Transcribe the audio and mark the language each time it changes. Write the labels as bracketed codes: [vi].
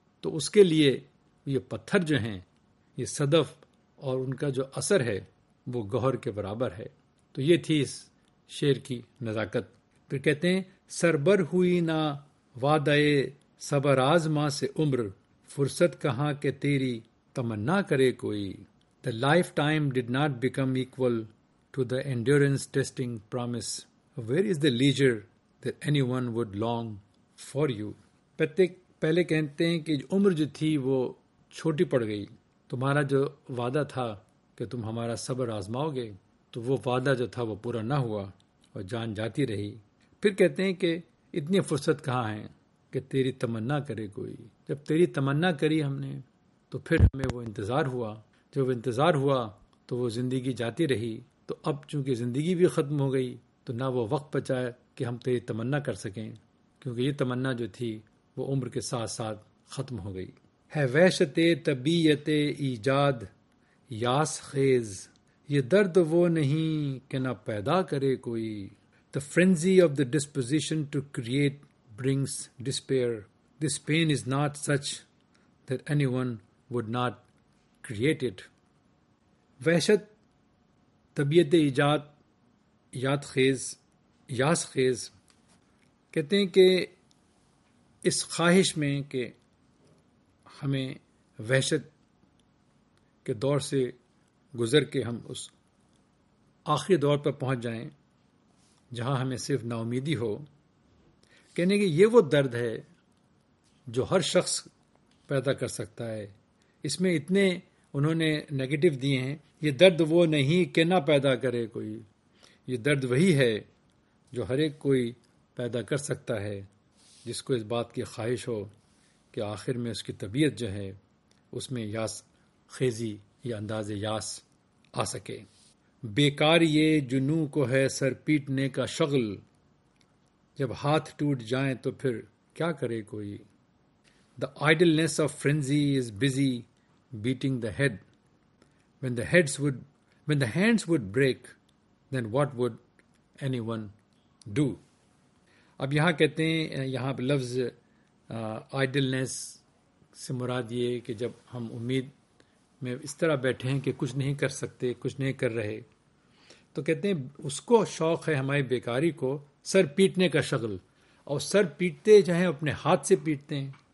[ur] تو اس کے لیے یہ پتھر جو ہیں, یہ صدف اور ان کا جو اثر ہے وہ گوہر کے برابر ہے. تو یہ تھی اس شعر کی نزاکت. پھر کہتے ہیں, سربر ہوئی نہ وعدہ صبر آزما سے عمر, فرصت کہاں کہ تیری تمنا کرے کوئی. [en] The life time did not become equal to the endurance testing promise, where is the leisure that anyone would long for you. [ur] پہلے کہتے ہیں کہ عمر جو تھی وہ چھوٹی پڑ گئی, تمہارا جو وعدہ تھا کہ تم ہمارا صبر آزماؤ گے تو وہ وعدہ جو تھا وہ پورا نہ ہوا اور جان جاتی رہی. پھر کہتے ہیں کہ اتنی فرصت کہاں ہے کہ تیری تمنا کرے کوئی. جب تیری تمنا کری ہم نے تو پھر ہمیں وہ انتظار ہوا, جب انتظار ہوا تو وہ زندگی جاتی رہی. تو اب چونکہ زندگی بھی ختم ہو گئی تو نہ وہ وقت بچا کہ ہم تیری تمنا کر سکیں, کیونکہ یہ تمنا جو تھی وہ عمر کے ساتھ ساتھ ختم ہو گئی. ہے وحشت طبیعت ایجاد یاس خیز, یہ درد وہ نہیں کہ نہ پیدا کرے کوئی. [en] The frenzy of the disposition to create brings despair, this pain is not such that anyone would not create it. [ur] وحشت طبیعت ایجاد یاد خیز یاس خیز کہتے ہیں کہ اس خواہش میں کہ ہمیں وحشت کے دور سے گزر کے ہم اس آخری دور پر پہنچ جائیں جہاں ہمیں صرف نا امیدی ہو, کہنے کہ یہ وہ درد ہے جو ہر شخص پیدا کر سکتا ہے. اس میں اتنے انہوں نے نگیٹو دیے ہیں, یہ درد وہ نہیں کہ نہ پیدا کرے کوئی. یہ درد وہی ہے جو ہر ایک کوئی پیدا کر سکتا ہے جس کو اس بات کی خواہش ہو کہ آخر میں اس کی طبیعت جو ہے اس میں یاس خیزی یا انداز یاس آ سکے. بیکار یہ جنوں کو ہے سر پیٹنے کا شغل, جب ہاتھ ٹوٹ جائیں تو پھر کیا کرے کوئی. [en] The idleness of frenzy is busy beating the head, when the hands would break then what would anyone do. [ur] اب یہاں کہتے ہیں, یہاں پہ لفظ آئیڈلنیس سے مراد یہ کہ جب ہم امید میں اس طرح بیٹھے ہیں کہ کچھ نہیں کر سکتے, کچھ نہیں کر رہے, تو کہتے ہیں اس کو شوق ہے ہماری بیکاری کو سر پیٹنے کا شغل, اور سر پیٹتے جو ہیں اپنے ہاتھ سے پیٹتے ہیں.